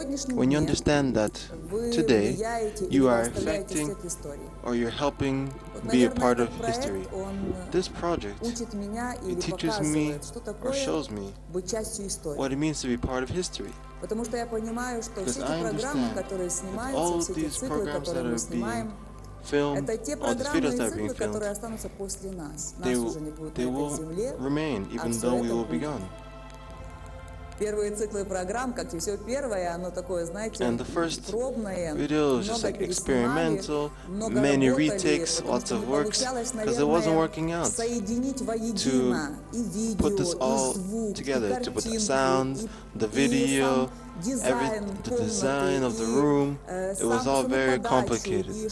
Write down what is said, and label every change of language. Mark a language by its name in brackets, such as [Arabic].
[English] When you understand that today you are affecting or you're helping be a part of history, this project, it teaches me or shows me what it means to be part of history. Because I understand that all of these programs that are being filmed, all these videos that are being filmed, they will remain even though we will be gone. [Russian] Первые циклы программ, как и все первое, оно такое, знаете, [English] and the first video was just like experimental, many retakes, lots of works, because it wasn't working out to put this all together, to put the sound, the video, the design of the room, it was all very complicated.